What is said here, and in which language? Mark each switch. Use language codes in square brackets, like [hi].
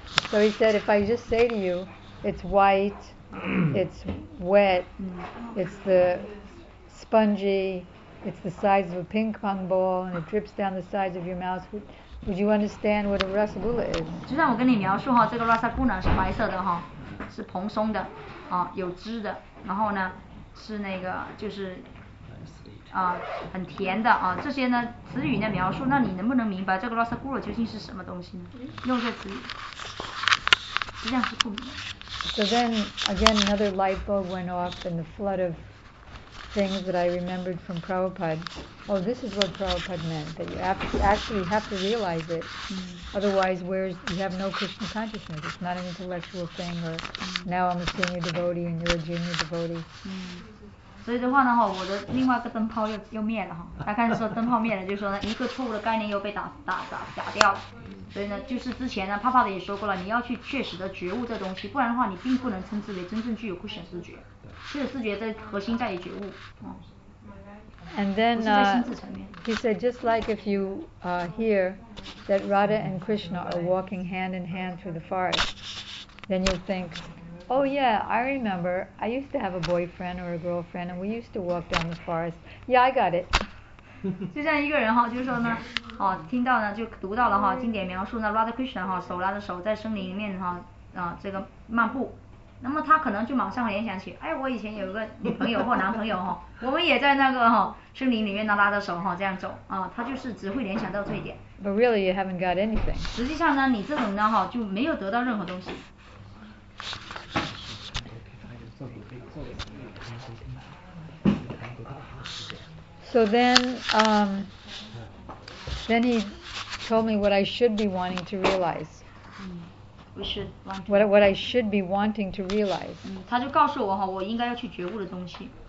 [en] So he said, if I just say to you, it's white, it's wet, it's the spongy, it's the size of a ping pong ball and it drips down the sides of your mouth. Would you understand what a rasagula is? [zh] 就像我跟你描述哈，这个 rasagula 是白色的哈，是蓬松的，啊，有汁的，然后呢是那个就是，啊，很甜的啊。这些呢词语的描述，那你能不能明白这个 rasagula 究竟是什么东西呢？用这词语，实际上是不明白。 [en] So then again, another light bulb went off in the flood of things that I remembered from Prabhupada. Oh, this is what Prabhupada meant, that you actually have to realize it. Otherwise, where's you have no Krishna consciousness. It's not an intellectual thing, or now I'm a senior devotee and you're a junior devotee. [zh] 所以的话呢，我的另外一个灯泡又灭了哈。大概是说灯泡灭了，就是说呢，一个错误的概念又被打掉了。所以呢，就是之前呢，泡泡的也说过了，你要去确实的觉悟这东西，不然的话，你并不能称之为真正具有不显视觉。不显视觉的核心在于觉悟。 [en] And then he said, just like if you hear that Radha and Krishna are walking hand in hand through the forest, then you think, oh yeah, I remember, I used to have a boyfriend or a girlfriend and we used to walk down the forest. Yeah, I got it. [zh] 就像一个人哈，就是说呢，哦，听到呢，就读到了哈，经典描述呢 ，Radha Krishna 哈，手拉着手在森林里面哈，这个漫步。那么他可能就马上联想起，哎，我以前有个女朋友或男朋友哈，我们也在那个哈森林里面呢拉着手哈这样走啊，他就是只会联想到这一点。 [en] But really, you haven't got anything. [zh] 实际上呢，你这种呢哈就没有得到任何东西。 [en] So then, then he told me what I should be wanting to realize. What I should be wanting to realize. [zh] 他就告诉我哈，我应该要去觉悟的东西。